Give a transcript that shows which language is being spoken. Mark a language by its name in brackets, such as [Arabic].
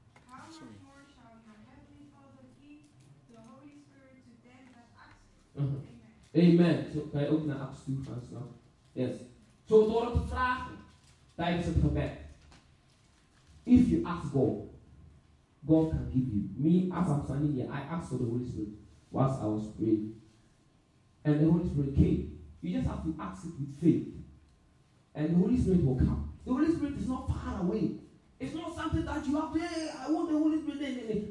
[English] How much more shall your heavenly Father give the Holy Spirit to them that ask him? Mm-hmm. Amen. So can I open the Acts 2 first now? Yes. [Dutch] So door te vragen tijdens het gebed. [English] If you ask God, God can give you. Me, as I'm standing here, I asked for the Holy Spirit whilst I was praying. And the Holy Spirit came. You just have to ask it with faith. And the Holy Spirit will come. The Holy Spirit is not far away. It's not something that you have to, hey, I want the Holy Spirit.